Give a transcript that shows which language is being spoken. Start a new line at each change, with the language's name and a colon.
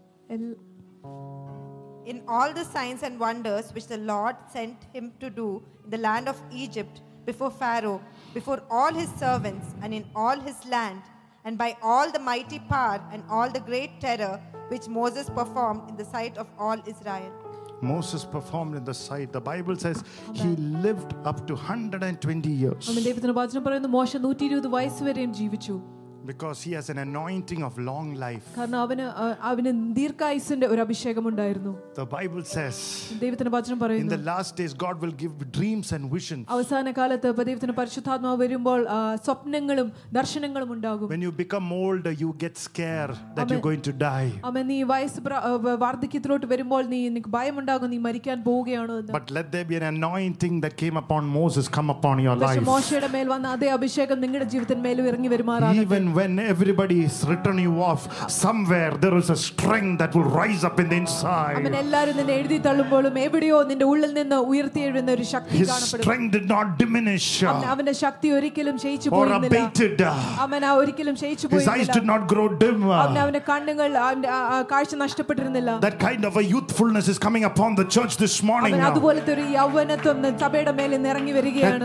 English: In all the signs and wonders which the Lord sent him to do in the land of Egypt, before Pharaoh, before all his servants, and in all his land, and by all the mighty power and all the great terror which Moses performed in the sight of all Israel. Moses performed in the sight. The Bible says he lived up to 120 years.
Malayalam: അമ്മ ദൈവത്തിന്റെ വചനം പറയുന്നു മോശ 120 വയസ്സ് വരെയും ജീവിച്ചു.
English: Because he has an anointing of long life.
Malayalam: കാരണം അവനെ അവനെ ദീർഘായുസ്സിന്റെ ഒരു അഭിഷേകം ഉണ്ടായിരുന്നു.
English: The Bible says.
Malayalam: ദൈവത്തിന്റെ വചനം പറയുന്നു.
English: In the last days God will give dreams and visions.
Malayalam: അവസാന കാലത്ത് ദൈവത്തിന്റെ പരിശുദ്ധാത്മാവ് വരുമ്പോൾ സ്വപ്നങ്ങളും ദർശനങ്ങളും ഉണ്ടാകും.
English: When you become old you get scared that you're going to die.
Malayalam: അമ്മ നീ വയസ്സ് വാർദ്ധക്യത്തിലോട്ട് വരുമ്പോൾ നിനക്ക് ഭയമുണ്ടാകും നീ മരിക്കാൻ പോവുകയാണോ എന്ന്.
English: But let there be an anointing that came upon Moses come upon your life.
Malayalam: മോശയുടെ മേൽ വന്ന അതേ അഭിഷേകം നിങ്ങളുടെ ജീവിതത്തിൽ മേലും ഇറങ്ങി വരുമാറാകട്ടെ.
English: And when everybody is written you off somewhere there is a strength that will rise up in the inside.
Malayalam: അവൻ എല്ലാവരും നിന്നെ എഴുതി തള്ളുമ്പോഴും എവിടെയോ നിന്റെ ഉള്ളിൽ നിന്ന് ഉയർത്തെഴുന്ന ഒരു ശക്തി കാണപ്പെടുന്നു.
English: His strength did not diminish.
Malayalam: അവന്റെ ശക്തി ഒരിക്കലും ക്ഷയിച്ചു പോയില്ല. അവൻ ഒരിക്കലും ക്ഷയിച്ചു പോയില്ല.
English: His eyes did not grow dim.
Malayalam: അവന്റെ കണ്ണുകൾ കാഴ്ച നഷ്ടപ്പെട്ടിരുന്നില്ല.
English: That kind of a youthfulness is coming upon the church this morning.
Malayalam: അവൻ അതുപോലത്തെ ഒരു യൗവനത്വം സഭയുടെ മേൽ ഇറങ്ങി വരികയാണ്.